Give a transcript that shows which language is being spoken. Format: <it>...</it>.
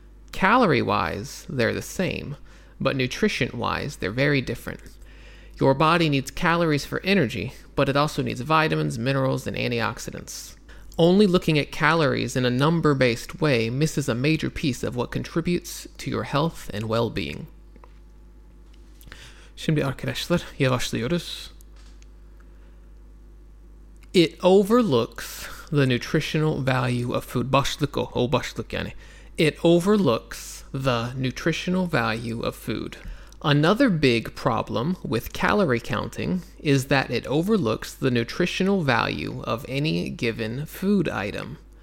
<en>Calorie-wise, they're the same, but nutrition-wise, they're very different. Your body needs calories for energy, but it also needs vitamins, minerals, and antioxidants. Only looking at calories in a number-based way misses a major piece of what contributes to your health and well-being.</en> <tr>Şimdi arkadaşlar, yavaşlıyoruz.</tr> <en>It overlooks the nutritional value of food.</en> <tr>Başlık o başlık yani.</tr> <en>It overlooks the nutritional value of food. Another big problem with calorie counting is that it overlooks the nutritional value of any given food item.</en>